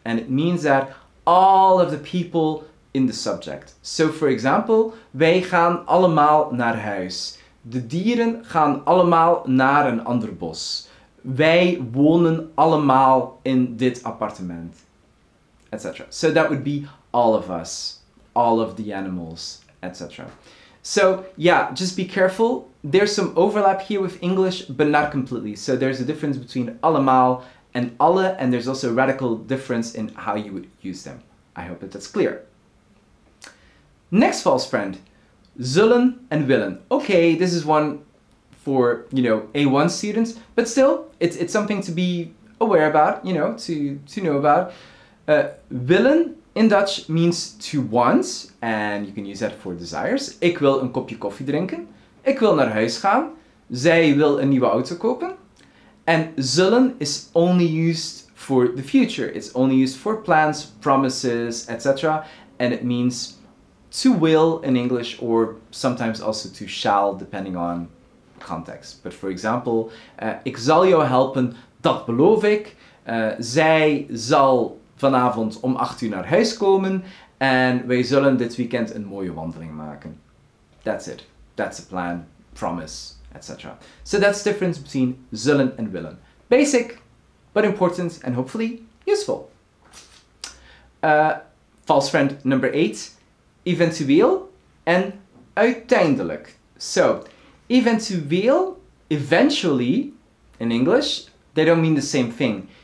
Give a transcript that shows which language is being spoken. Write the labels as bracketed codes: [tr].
[en] And it means that all of the people in the subject. So, for example, [nl] wij gaan allemaal naar huis. De dieren gaan allemaal naar een ander bos. Wij wonen allemaal in dit appartement. Etc. [en] So that would be all of us. All of the animals, etc. So, yeah, just be careful. There's some overlap here with English, but not completely. So there's a difference between allemaal and alle, and there's also a radical difference in how you would use them. I hope that that's clear. Next false friend. Zullen en willen. Okay, this is one for, you know, A1 students, but still, it's something to be aware about, you know, to know about. Willen in Dutch means to want, and you can use that for desires. [nl] Ik wil een kopje koffie drinken. Ik wil naar huis gaan. Zij wil een nieuwe auto kopen. [en] And zullen is only used for the future. It's only used for plans, promises, etc. And it means to will in English, or sometimes also to shall, depending on context. But for example, [nl] ik zal jou helpen, dat beloof ik. Zij zal vanavond om 8 uur naar huis komen. En wij zullen dit weekend een mooie wandeling maken. [en] That's it. That's a plan, promise, etc. So that's the difference between zullen and willen. Basic, but important, and hopefully useful. False friend number 8. [nl] Eventueel en uiteindelijk. [en] So, eventueel, eventually, in English, they don't mean the same thing.